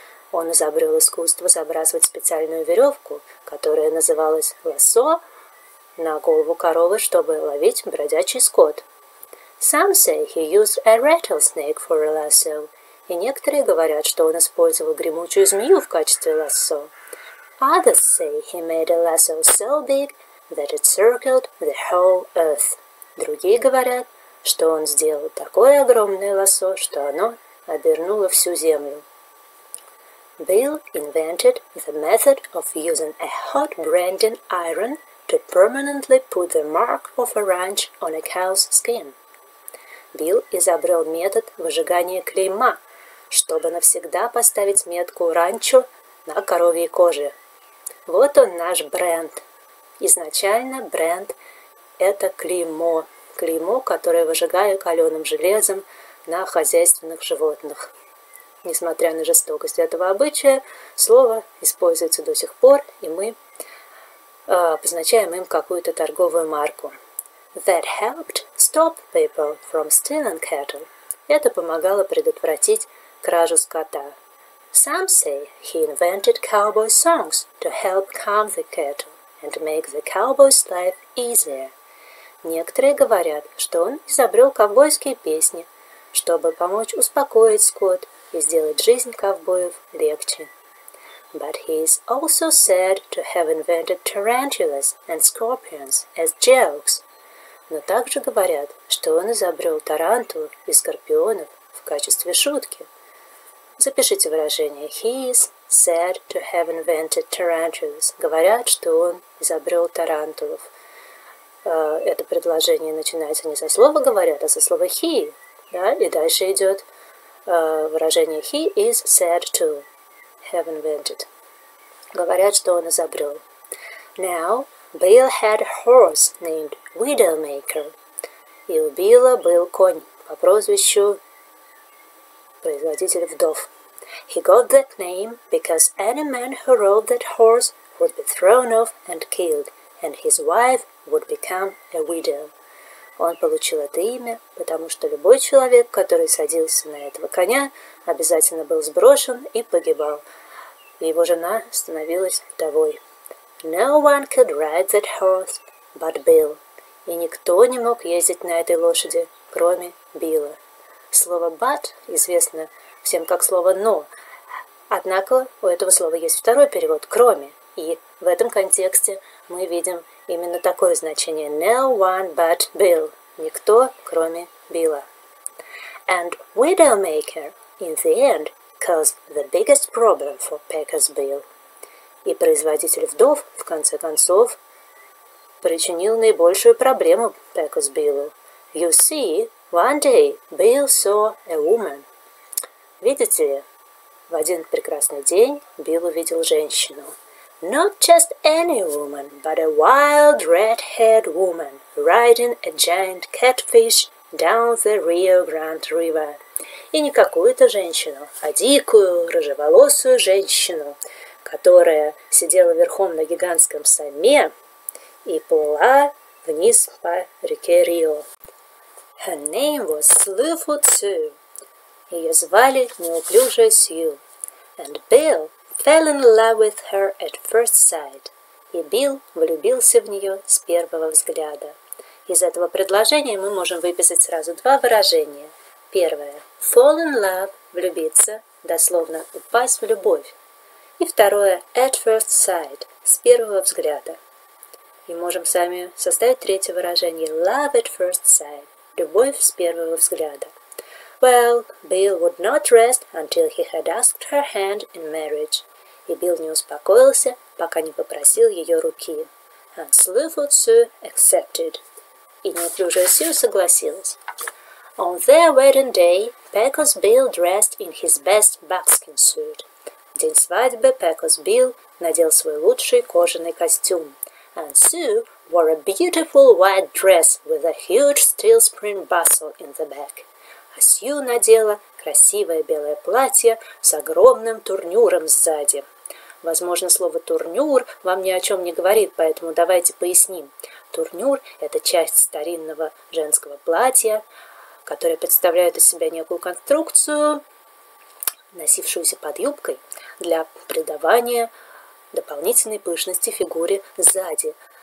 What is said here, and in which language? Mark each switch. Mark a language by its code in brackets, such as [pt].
[ru] Он изобрел искусство забрасывать специальную веревку, которая называлась лассо, на голову коровы, чтобы ловить бродячий скот. [en] Some say he used a rattlesnake for a lasso. [ru] И некоторые говорят, что он использовал гремучую змею в качестве лассо. [en] Others say he made a lasso so big that it circled the whole earth. [ru] Другие говорят, что он сделал такое огромное лассо, что оно обернуло всю землю. [en] Bill invented the method of using a hot branding iron to permanently put the mark of a ranch on a cow's skin. [ru] Bill изобрел метод выжигания клейма, чтобы навсегда поставить метку ранчо на коровьей коже. Вот он наш бренд. Изначально бренд – это клеймо. Клеймо, которое выжигают каленым железом на хозяйственных животных. Несмотря на жестокость этого обычая, слово используется до сих пор, и мы обозначаем им какую-то торговую марку. [en] That helped stop people from stealing cattle. [ru] Это помогало предотвратить кражу скота. [en] Some say he invented cowboy songs to help calm the cattle and make the cowboy's life easier. [ru] Некоторые говорят, что он изобрел ковбойские песни, чтобы помочь успокоить скот и сделать жизнь ковбоев легче. [en] But he is also said to have invented tarantulas and scorpions as jokes. [ru] Но также говорят, что он изобрел тарантул и скорпионов в качестве шутки. Запишите выражение «He is said to have invented tarantulas». Говорят, что он изобрел тарантулов. Это предложение начинается не со слова «говорят», а со слова «he». Да? И дальше идет выражение «He is said to have invented». [en] Говорят, что он изобрел. Now, Bill had a horse named Widow Maker. [ru] И у Билла был конь по прозвищу производитель вдов. [en] He got that name because any man who rode that horse would be thrown off and killed, and his wife would become a widow. [ru] Он получил это имя, потому что любой человек, который садился на этого коня, обязательно был сброшен и погибал. И его жена становилась вдовой. [en] No one could ride that horse but Bill. [ru] И никто не мог ездить на этой лошади, кроме Билла. Слово «but» известно всем как слово «но». Однако у этого слова есть второй перевод «кроме». И в этом контексте мы видим именно такое значение. [en] No one but Bill. Никто, кроме Билла. And Widowmaker in the end caused the biggest problem for Pecos Bill. [ru] И производитель вдов, в конце концов, причинил наибольшую проблему Pecos Bill. [en] You see, one day Bill saw a woman. [ru] Видите ли, в один прекрасный день Билл увидел женщину. [en] Not just any woman, but a wild red-haired woman riding a giant catfish down the Rio Grande River. [ru] И не какую-то женщину, а дикую, рыжеволосую женщину, которая сидела верхом на гигантском соме и плыла вниз по реке Рио. [en] Her name was Slue-foot Sue. Ее звали Неуклюжая Сью. And Bill fell in love with her at first sight. [ru] И Билл влюбился в нее с первого взгляда. Из этого предложения мы можем выписать сразу два выражения. Первое. Fall in love – влюбиться, дословно упасть в любовь. И второе. At first sight – с первого взгляда. И можем сами составить третье выражение. [en] Love at first sight – любовь с первого взгляда. Well, Bill would not rest until he had asked her hand in marriage. [ru] И Билл не успокоился, пока не попросил ее руки. [en] And Slue-foot Sue accepted. [ru] И Неуклюжая Сью согласилась. [en] On their wedding day, Pecos Bill dressed in his best buckskin suit. [ru] В день свадьбы Pecos Bill надел свой лучший кожаный костюм. [en] And Sue wore a beautiful white dress with a huge steel spring bustle in the back. [ru] А Сью надела красивое белое платье с огромным турнюром сзади. Возможно, слово «турнюр» вам ни о чем не говорит, поэтому давайте поясним. Турнюр – это часть старинного женского платья, которое представляет из себя некую конструкцию, носившуюся под юбкой, для придавания дополнительной пышности фигуре сзади.